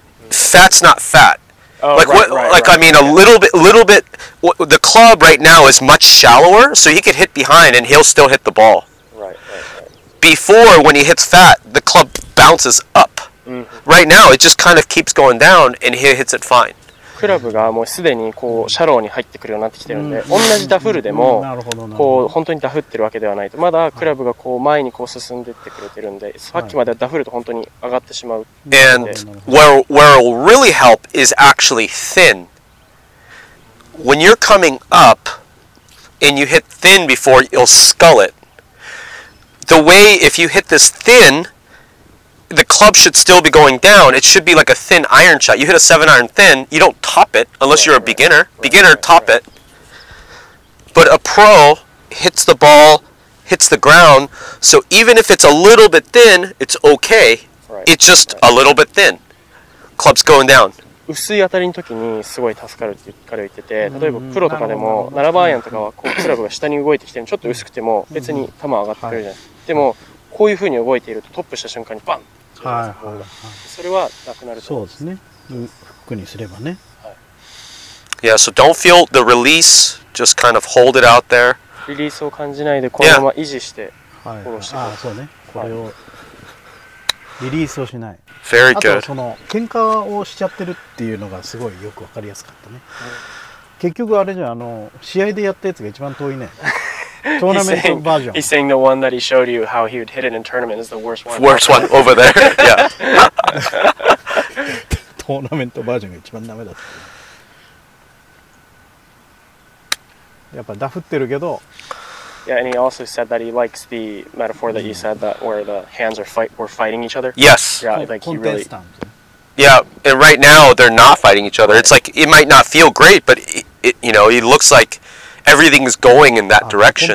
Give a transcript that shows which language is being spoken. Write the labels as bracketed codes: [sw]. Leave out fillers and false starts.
[en] Fat's not fat. The club right now is much shallower, so he could hit behind and he'll still hit the ball. Right. Before, when he hits fat, the club bounces up. Right now, it just kind of keeps going down and he hits it fine. [ja] クラブがもうすでにこうシャローに入ってくるようになってきてるんで、うん、同じダフルでもこう本当にダフってるわけではないと、まだクラブがこう前にこう進んでってくれてるんで、さっきまではダフルと本当に上がってしまう。 [en] And where it'll really help is actually thin. When you're coming up and you hit thin before you'll scull it. The way if you hit this thin,The club should still be going down. It should be like a thin iron shot. You hit a 7 iron thin, you don't top it unless you're a beginner. Beginner, top it. But a pro hits the ball, hits the ground. So even if it's a little bit thin, it's okay. It's just a little bit thin. Club's going down. [ja] 薄い当たりの時にすごい助かるって彼は言ってて、例えばプロとかでも7番アイアンとかはこうクラブが下に動いてきてちょっと薄くても別に球上がってくるじゃない、はい、でもこういう風に動いているとトップした瞬間にバンって、はいはいはい、それはなくなると思います。そうですね、フックにすればね、はい、 [en] Yeah, so don't feel the release, just kind of hold it out there. [ja] リリースを感じないでこのまま維持して下ろしてください、はいはい、あ、そうね、これをリリースをしない。 [en] Very good. [ja] あとその喧嘩をしちゃってるっていうのがすごいよく分かりやすかったね。結局あれじゃん、あの試合でやったやつが一番遠いね。トーナメントバージョン。 [en] He's saying the one that he showed you how he would hit it in tournament is the worst one. Worst one over there. Yeah. [ja] トーナメントバージョンが一番ダメだった。やっぱダフってるけど。 [en] Yeah, and he also said that he likes the metaphor that you said, that where the hands are fighting each other. Yes. Yeah, like he really. Yeah, and right now they're not fighting each other. It's like it might not feel great, but it you know, it looks like everything is going in that direction.